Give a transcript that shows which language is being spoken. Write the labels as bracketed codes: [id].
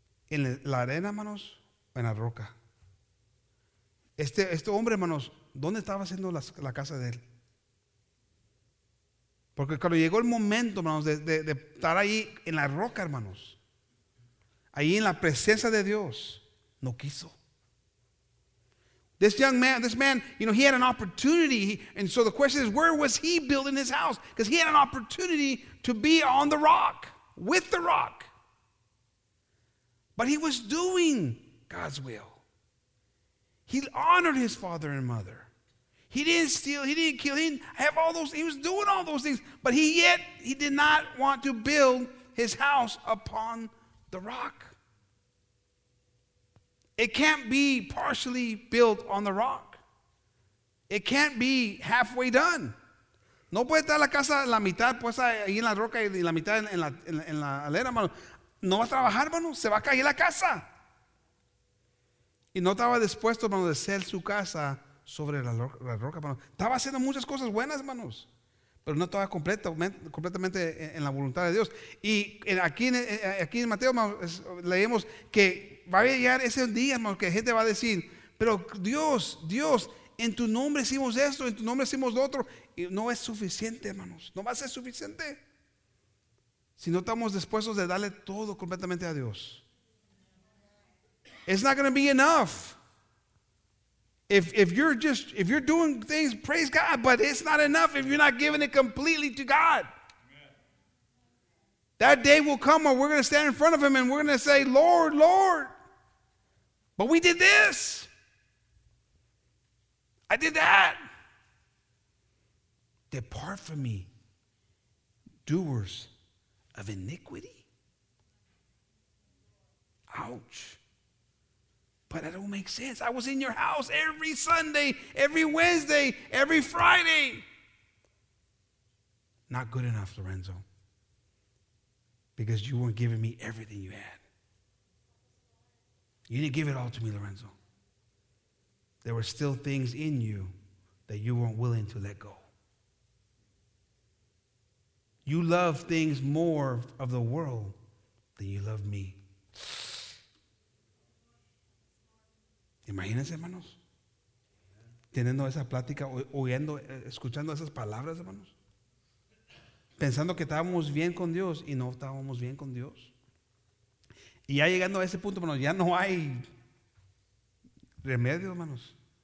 [es] ¿En la arena, hermanos, o en la roca? Este hombre, hermanos, ¿dónde estaba haciendo la casa de él? Porque cuando llegó el momento, hermanos, de estar ahí en la roca, hermanos, ahí en la presencia de Dios, no quiso. [en] This man, you know, he had an opportunity. And so the question is, where was he building his house? Because he had an opportunity to be on the rock, with the rock. But he was doing God's will. He honored his father and mother. He didn't steal, he didn't kill, he didn't have all those, he was doing all those things. But he did not want to build his house upon the rock. It can't be partially built on the rock. It can't be halfway done. [es] No puede estar la casa la mitad puesta ahí en la roca y la mitad en la alera, hermano. No va a trabajar, hermano. Se va a caer la casa. Y no estaba dispuesto, hermano, de ser su casa sobre la roca, hermano. Estaba haciendo muchas cosas buenas, hermanos. Pero no estaba completamente en la voluntad de Dios. Y aquí en Mateo, hermano, leemos que va a llegar ese día, hermano, que gente va a decir, pero Dios, Dios, en tu nombre hicimos esto, en tu nombre hicimos lo otro. Y no es suficiente, hermanos. No va a ser suficiente. Si no estamos dispuestos de darle todo completamente a Dios. [en] It's not going to be enough. If you're doing things, praise God, but it's not enough if you're not giving it completely to God. Amen. That day will come where we're going to stand in front of him and we're going to say, Lord, Lord, but we did this. I did that. Depart from me, doers of iniquity. Ouch. But that don't make sense. I was in your house every Sunday, every Wednesday, every Friday. Not good enough, Lorenzo. Because you weren't giving me everything you had. You didn't give it all to me, Lorenzo. There were still things in you that you weren't willing to let go. You love things more of the world than you love me. [es] Imagínense, hermanos, teniendo esa plática, oyendo, escuchando esas palabras, hermanos, pensando que estábamos bien con Dios y no estábamos bien con Dios. Y ya llegando a ese punto, hermanos, ya no hay remedio, hermanos.